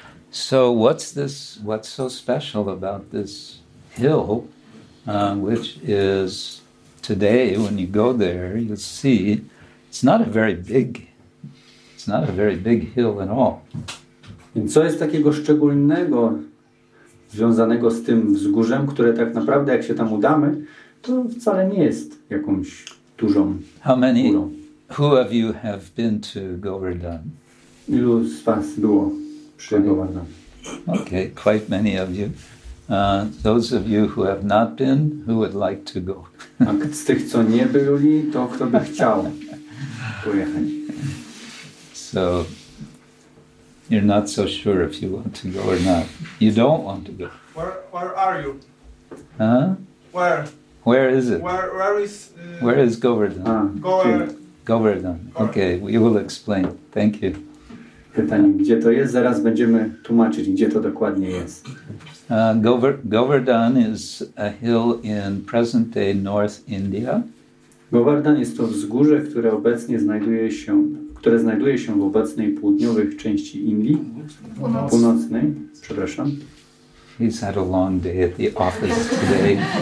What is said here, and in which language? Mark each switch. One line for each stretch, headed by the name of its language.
English: So what's so special about this hill, which is today, when you go there, you'll see it's not a very big hill. Not a very big hill at all.
Polish: Więc co jest takiego szczególnego związanego z tym wzgórzem, które tak naprawdę, jak się tam udamy, to wcale nie jest jakąś dużą górą.
English: How many? Who of you have been to Govardhan?
Polish: Ilu z was było przy Govardhan?
English: Okay, quite many of you. Those of you who have not been, who would like to go?
Polish: A z tych, co nie byli, to kto by chciał pojechać?
English: So you're not so sure if you want to go or not. You don't want to go. Where are you? Huh? Where? Where is it? Where is Govardhan? Govardhan. Okay, we will explain. Thank you.
Polish: Pytanie, gdzie to jest? Zaraz będziemy tłumaczyć, gdzie to dokładnie jest.
English: Govardhan is a hill in present-day North India.
Polish: Govardhan jest to wzgórze, które obecnie znajduje się, które znajduje się w obecnej południowej części Indii, północnej, przepraszam.
English: He's had a long day at the office today.